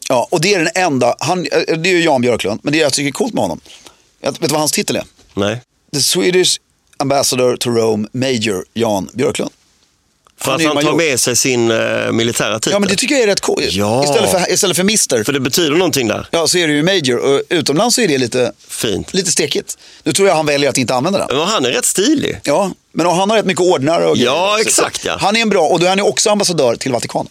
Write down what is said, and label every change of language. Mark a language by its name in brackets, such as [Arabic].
[Swedish] Ja, och det är den enda, det är ju Jan Björklund, men det jag tycker är coolt med honom. Vet du vad hans titel är? Nej. [English] The Swedish Ambassador to Rome, Major Jan Björklund. [Swedish] För han att han major. Tar med sig sin militära titel. Ja, men det tycker jag är rätt coolt. Ja. Istället för mister. För det betyder någonting där. Ja, så är det ju major. Och utomlands så är det lite fint. Lite stekigt. Nu tror jag han väljer att inte använda den. Men han är rätt stilig. Ja, men han har rätt mycket ordnare. Ja, exakt. Ja. Han är en bra, och då är han ju också ambassadör till Vatikanen.